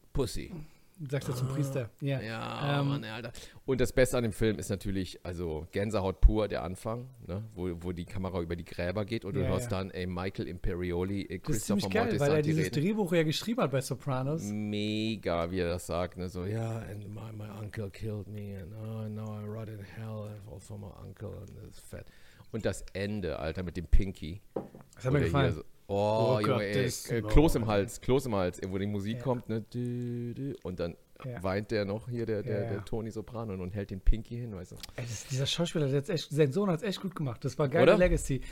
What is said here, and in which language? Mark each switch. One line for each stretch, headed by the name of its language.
English: Pussy.
German: Sagst du zum Priester. Yeah. Ja, Mann, Alter. Und das Beste an dem Film ist natürlich, also Gänsehaut pur, der Anfang, ne? wo die Kamera über die Gräber geht und du hörst dann Michael Imperioli, Christopher Mortis. Das ist ziemlich geil, weil er dieses Drehbuch ja geschrieben hat bei Sopranos. Mega, wie er das sagt.
English: Ne? So, yeah, and my uncle killed me and now I rot in hell for my uncle and it's fat.
German: Und das Ende, Alter, mit dem Pinky. Das hat mir gefallen. Oh, Junge, ey. Kloß im Hals, wo die Musik kommt, ne? Und dann weint der noch hier, der Tony Soprano, und hält den Pinky hin, weißt du? Dieser Schauspieler, sein Sohn hat es echt gut gemacht. Das war geile Legacy.